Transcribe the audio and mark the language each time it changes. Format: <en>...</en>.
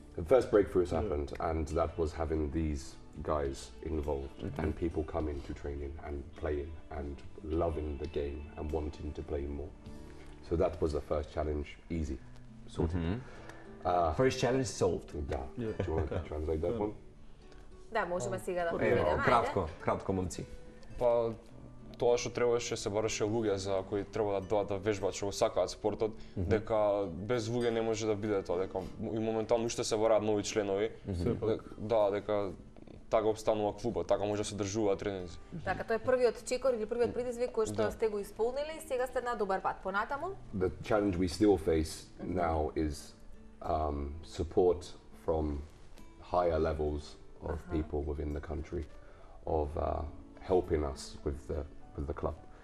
<en>The first breakthrough has happened, and that was having these guys involved and people coming to training and playing and loving the game and wanting to play more. So that was the first challenge, easy, sorted. First challenge solved. Да. Yeah. Do you want to translate that one?</en> <mk>Да, можеме сега да преведеме. Кратко, кратко, момци. Па, тоа што требаше се бараше луѓе за кои треба да доаѓа да вежбаат што го сакаат спортот, дека без луѓе не може да биде тоа, дека и моментално уште се бараат нови членови. Дека така обстанува клубот, така може да се одржува тренинзи. Така, тоа е првиот чекор или првиот предизвик кој што сте го исполнили и сега сте на добар пат. Понатаму?</mk> <en>The challenge we still face now is support from higher levels of people within the country, of helping us with the club.</en>